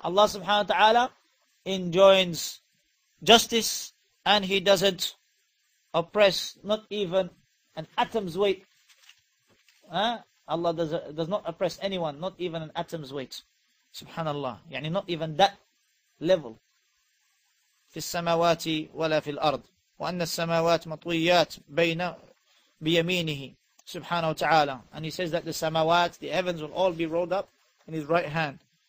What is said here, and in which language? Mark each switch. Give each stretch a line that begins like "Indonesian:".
English: Allah subhanahu wa ta'ala enjoins justice and He doesn't oppress not even an atom's weight. Allah does not oppress anyone, not even an atom's weight. Subhanallah. يعني not even that level.
Arabic: فِي السَّمَاوَاتِ وَلَا فِي الْأَرْضِ وَأَنَّ السَّمَاوَاتِ مَطْوِيَّاتِ بَيْنَ بِيَمِينِهِ subhanahu wa ta'ala.
English: And He says that the samawat, the heavens, will all be rolled up in His right hand.